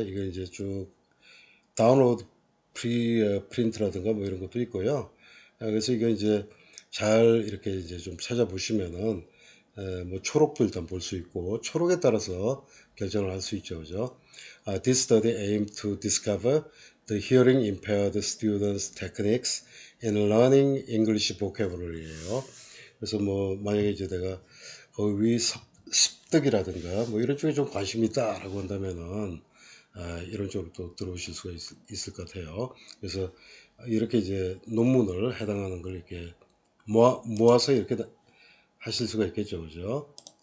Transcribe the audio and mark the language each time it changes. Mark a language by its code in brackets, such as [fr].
[ko] 이거 이제 쭉 다운로드 프린트라든가 뭐 이런 것도 있고요. 그래서 이거 이제 잘 이렇게 이제 좀 찾아보시면은 뭐 초록도 일단 볼수 있고, 초록에 따라서 결정을 할수 있죠, 그죠? [en] This study aims to discover the hearing impaired students' techniques in learning English vocabulary [ko] 예요. 그래서 뭐 만약에 이제 내가 어휘 습득이라든가 뭐 이런 쪽에 좀 관심이 있다라고 한다면은 이런 쪽으로 또 들어오실 수가 있을 것 같아요. 그래서 이렇게 이제 논문을 해당하는 걸 이렇게 모아서 이렇게 하실 수가 있겠죠, 그죠?